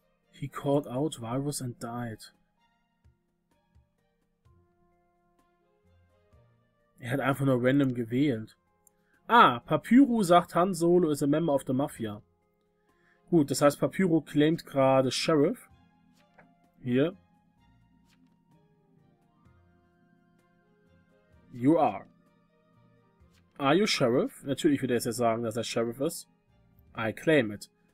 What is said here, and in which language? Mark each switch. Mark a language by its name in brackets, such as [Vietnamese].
[English] He called out Valrus and died. [German] Er hat einfach nur random gewählt. Ah, Papyru sagt [English] Han Solo is a member of the Mafia. [German] Gut, das heißt Papyru claimt gerade Sheriff. Hier. [English] You are. Are you Sheriff? [German] Natürlich wird er jetzt sagen, dass er Sheriff ist. [English] I claim it.